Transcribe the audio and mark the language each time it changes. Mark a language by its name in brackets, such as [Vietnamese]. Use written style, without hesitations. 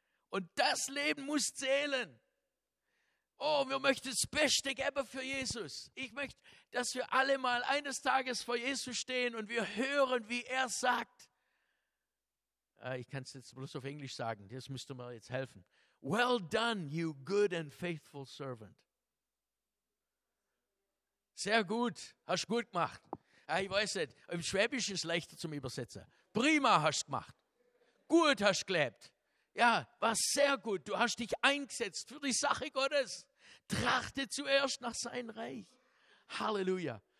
[German] Und das Leben muss zählen. Oh, wir möchten das Beste geben für Jesus. Ich möchte, dass wir alle mal eines Tages vor Jesus stehen und wir hören, wie er sagt. Ich kann es jetzt bloß auf Englisch sagen, das müsste mir jetzt helfen. [English] Well done, you good and faithful servant. [German] Sehr gut, hast du gut gemacht. Ich weiß nicht, im Schwäbisch ist es leichter zum Übersetzen. Prima hast du gemacht. Gut hast du gelebt. Ja, war sehr gut. Du hast dich eingesetzt für die Sache Gottes. Trachte zuerst nach seinem Reich. Halleluja.